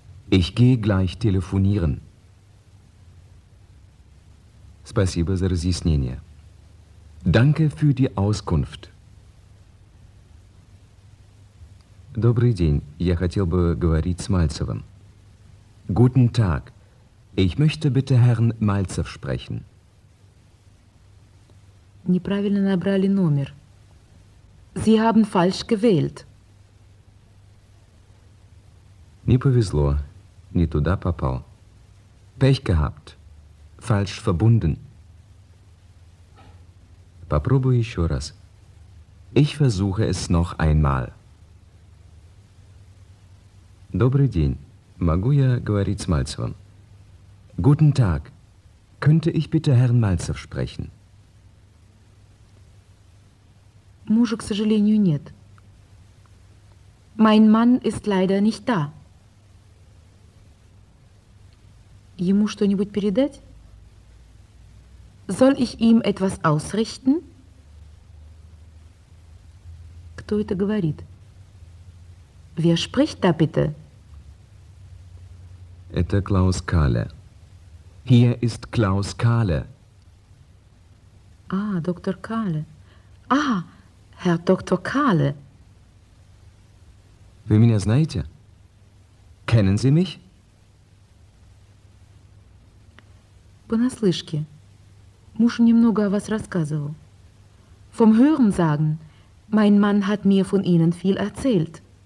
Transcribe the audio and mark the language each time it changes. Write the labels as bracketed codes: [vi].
[de] Ich gehe gleich telefonieren. [ru] Спасибо за разъяснение. [de] Danke für die Auskunft. [ru] Добрый день. Я хотел бы говорить с Мальцевым. [de] Guten Tag. Ich möchte bitte Herrn Malzew sprechen. [ru] Неправильно набрали номер. [de] Sie haben falsch gewählt. [ru] Не повезло. Не туда попал. [de] Pech gehabt. Falsch verbunden. [ru] Попробую еще раз. [de] Ich versuche es noch einmal. [ru] Добрый день. Могу я говорить с Мальцевым? [de] Guten Tag. Könnte ich bitte Herrn Malzew sprechen? [ru] Мужа, к сожалению, нет. [de] Mein Mann ist leider nicht da. [ru] Ему что-нибудь передать? [de] Soll ich ihm etwas ausrichten? [ru] Кто это говорит? [de] Wer spricht da bitte? [ru] Это Клаус Кале. [de] Hier ist Klaus Kahle. Ah, Dr. Kahle. Ah, Herr Dr. Kahle. [ru] Вы меня знаете? [de] Kennen Sie mich? [ru] Понаслышке. Муж немного о вас рассказывал. [de] Vom Hörensagen. Mein Mann hat mir von Ihnen viel erzählt.